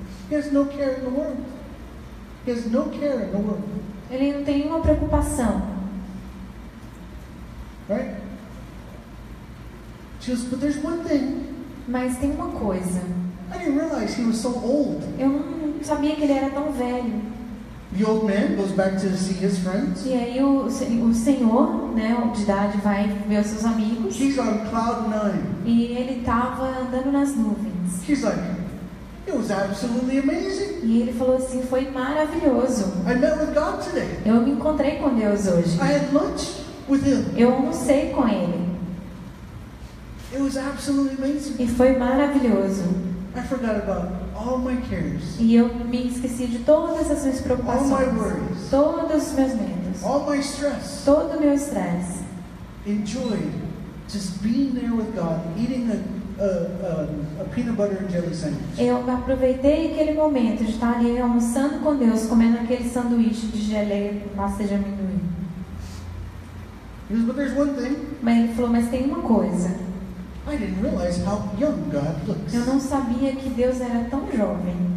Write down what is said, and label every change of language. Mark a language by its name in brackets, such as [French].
[English] He has no care in the world. He has no care in the world. [Portuguese] Ele não tem nenhuma preocupação. [English] Right? She goes, but there's one thing. [Portuguese] Mas tem uma coisa. [English] I didn't realize he was so old. [Portuguese] Eu não sabia que ele era tão velho. [English] The old man goes back to see his friends. [Portuguese] E aí o senhor, né, de idade, vai ver os seus amigos. [English] He's on cloud nine. [Portuguese] E ele estava andando nas nuvens. [English] He's like, it was absolutely amazing. [Portuguese] E ele falou assim, foi maravilhoso. [English] I met with God today. [Portuguese] Eu me encontrei com Deus hoje. [English] I had lunch with him. [Portuguese] Eu almocei com ele. [English] It was absolutely amazing. [Portuguese] E foi maravilhoso. [English] I forgot about all my cares. [Portuguese] E eu me esqueci de todas as minhas preocupações. [English] All my worries. [Portuguese] Todos os meus medos. [English] All my stress. [Portuguese] Todo o meu estresse. [English] Enjoyed just being there with God, eating a peanut butter and jelly sandwich. [Portuguese] Eu aproveitei aquele momento de estar ali almoçando com Deus, comendo aquele sanduíche de geleia com pasta de amendoim. [English] But there's one thing. [Portuguese] Mas ele falou, mas tem uma coisa. [English] I didn't realize how young God looks. [Portuguese] Eu não sabia que Deus era tão jovem.